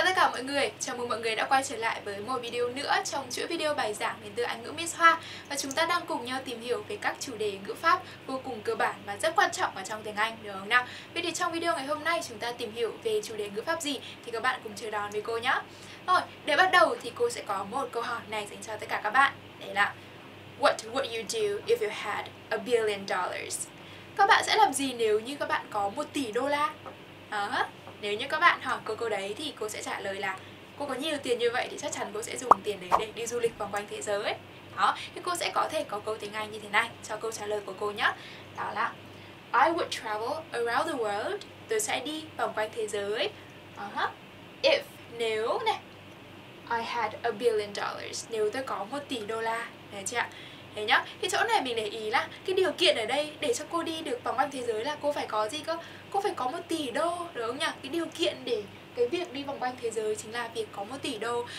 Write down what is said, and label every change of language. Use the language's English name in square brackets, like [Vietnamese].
[Vietnamese] mọi người, chào mừng mọi người đã quay trở lại với một video nữa trong chuỗi video bài giảng đến từ Anh ngữ Miss Hoa. Và chúng ta đang cùng nhau tìm hiểu về các chủ đề ngữ pháp vô cùng cơ bản và rất quan trọng ở trong tiếng Anh, được không nào? Vậy thì trong video ngày hôm nay chúng ta tìm hiểu về chủ đề ngữ pháp gì thì các bạn cùng chờ đón với cô nhé. Rồi, để bắt đầu thì cô sẽ có một câu hỏi này dành cho tất cả các bạn. Đấy là [English] What would you do if you had $1 billion? [Vietnamese] Các bạn sẽ làm gì nếu như các bạn có 1 tỷ đô la? Nếu như các bạn hỏi cô câu đấy thì cô sẽ trả lời là cô có nhiều tiền như vậy thì chắc chắn cô sẽ dùng tiền đấy để đi du lịch vòng quanh thế giới ấy. Đó, thì cô sẽ có thể có câu tiếng Anh như thế này cho câu trả lời của cô nhá. Đó là [English] I would travel around the world. [Vietnamese] Tôi sẽ đi vòng quanh thế giới. If, nếu này, [English] I had $1 billion. [Vietnamese] Nếu tôi có 1 tỷ đô la. Đấy chị ạ. Thế nhá, cái chỗ này mình để ý là cái điều kiện ở đây để cho cô đi được vòng quanh thế giới là cô phải có gì cơ? Cô phải có 1 tỷ đô, đúng không nhỉ? Cái điều kiện để cái việc đi vòng quanh thế giới chính là việc có 1 tỷ đô.